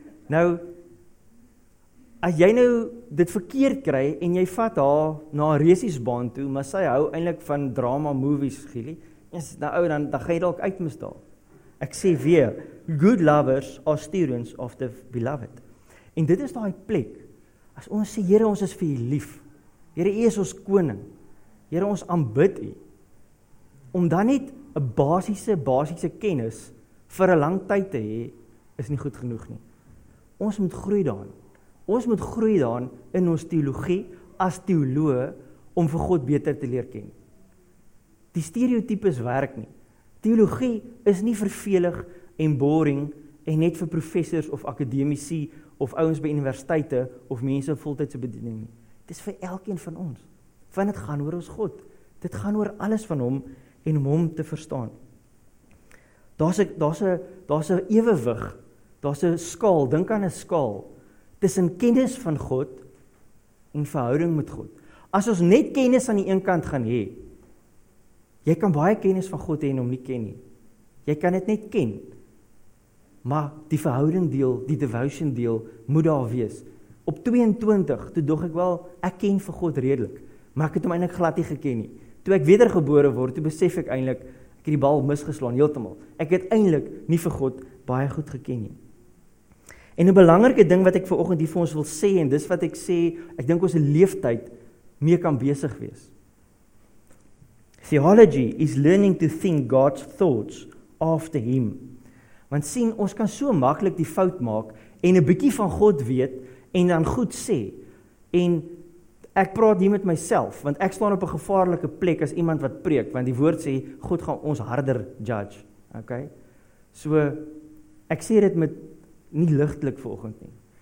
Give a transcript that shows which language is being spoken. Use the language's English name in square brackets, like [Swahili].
[Afrikaans] Nou as jy nou dit verkeerd kry en jy vat haar na 'n resiesbaan toe, maar sy hou eintlik van drama movies, Gili. Is nou ou dan gaan jy dalk uitmisdaal. Ek sê weer, [English] good lovers are students of the beloved. [Afrikaans] En dit is daai plek. As ons sê, Here, ons is vir U lief. Here, U is ons koning. Here, ons aanbid U. Om dan net 'n basiese kennis vir 'n lang tyd te hê, is nie goed genoeg nie. Ons moet groei daarin. Ons moet groei daarin in ons teologie as teoloog om vir God beter te leer ken. Die stereotypes werk nie. Teologie is nie vervelig en boring en net vir professors of akademici of ouens by universiteite of mense in voltydse bediening nie. Dit is vir elkeen van ons. Want dit gaan oor ons God. Dit gaan oor alles van hom en om hom te verstaan. Daar's 'n ewewig. Daar's 'n skaal, dink aan 'n skaal. Tussen kennis van God en verhouding met God. As ons net kennis aan die een kant gaan hê, jy kan baie kennis van God hê en hom nie ken nie. Jy kan dit net ken. Maar die verhouding deel, die devotion deel, moet daar wees. Op 22, toe dog ek wel, ek ken vir God redelik, maar ek het hom eintlik glad nie geken nie. Toe ek wedergebore word, toe besef ek eintlik, ek het die bal misgeslaan, heeltemal. Ek het eintlik nie vir God baie goed geken nie. En 'n belangrike ding wat ek vanoggend hier vir ons wil sê, en dis wat ek sê, ek dink ons 'n leeftyd mee kan besig wees. [English] Theology is learning to think God's thoughts after him. [Afrikaans] Want sien, ons kan so maklik die fout maak en 'n bietjie van God weet en dan goed sê. En ek praat hier met myself, want ek staan op 'n gevaarlike plek as iemand wat preek, want die woord sê God gaan ons harder judge. Okay? So ek sê dit met nie ligtelik vanoggend nie.